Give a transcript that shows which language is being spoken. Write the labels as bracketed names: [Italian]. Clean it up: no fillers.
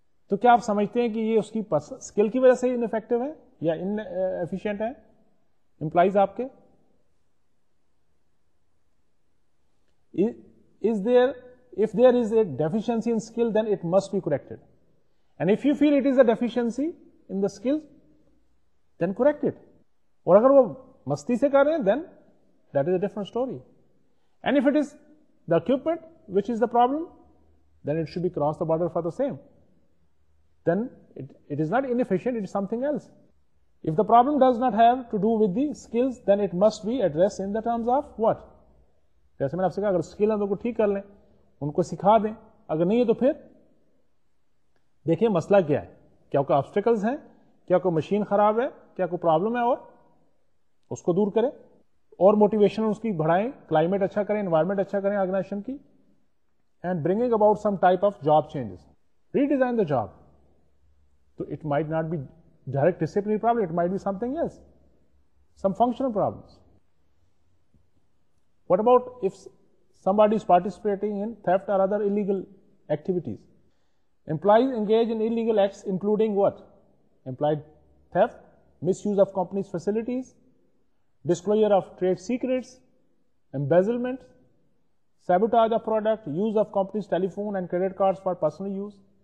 [Urdu] تو کیا آپ سمجھتے ہیں کہ یہ اس کی اسکل کی وجہ سے انفیکٹو ہے یا ان ایفیشینٹ ہے امپلائیز آپ کے؟ [English] Is there, if there is a deficiency in skill, then it must be corrected. And if you feel it is a deficiency in the skill, then correct it. [Urdu] Aur agar wo masti se kar rahe hain, [English] then that is a different story. And if it is the equipment which is the problem, then it should be crossed the border for the same. Then it is not inefficient, it is something else. If the problem does not have to do with the skills, then it must be addressed in the terms of what? [Urdu] جیسے میں نے آپ سے کہا اگر skill ہے تو ٹھیک کر لیں, ان کو سکھا دیں, اگر نہیں ہے تو پھر دیکھیں مسئلہ کیا ہے, کیا کوئی آبسٹیکلز ہیں, کیا کوئی مشین خراب ہے, کیا کوئی پرابلم ہے اور اس کو دور کریں اور موٹیویشن اس کی بڑھائیں, کلائمیٹ اچھا کریں, انوائرمنٹ اچھا کریں آرگنائزیشن کی, [English] And bringing about some type of job changes, redesign the job. تو it might not be direct discipline problem, it might be something else, some functional problems. What about if somebody is participating in theft or other illegal activities? Employees engage in illegal acts including what? Implied theft, misuse of company's facilities, disclosure of trade secrets, embezzlement, sabotage of product, use of company's telephone and credit cards for personal use.